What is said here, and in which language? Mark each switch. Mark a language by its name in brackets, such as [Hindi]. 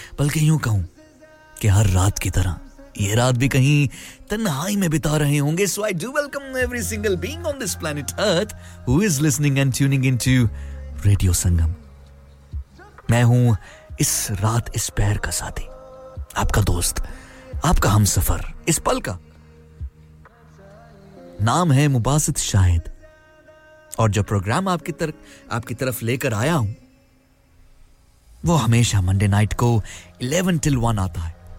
[Hindi] बल्कि यूँ कहूँ कि हर रात की तरह ये रात भी कहीं तन्हाई में बिता रहे होंगे. [English] So I do welcome every single being on this planet Earth who is listening and tuning into Radio Sangam. [Hindi] मैं हूँ इस रात इस पैर का साथी, आपका दोस्त, आपका हम सफर इस पल का. नाम है मुबासित शाहिद और जो प्रोग्राम आपकी तरफ लेकर आया हूं वो हमेशा मंडे नाइट को 11 टिल 1 आता है.